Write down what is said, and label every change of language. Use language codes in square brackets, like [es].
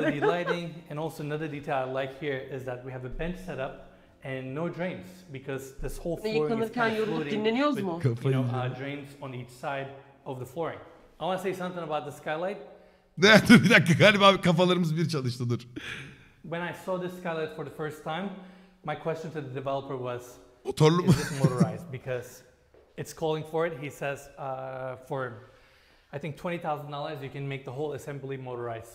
[en] Lighting and also another detail I like here is that we have a bench set up and no drains because this whole flooring is [tr] dinleniyoruz mu? [en] You know, drains on each side of the flooring. I want to say something about the skylight. [tr] Ne? Dur bir dakika galiba kafalarımız bir çalıştı dur. [en] When I saw this skylight for the first time, my question to the developer was [tr] motorlu mu? [en] Is this motorized? Because it's calling for it. He says for I think $20,000 you can make the whole assembly motorized.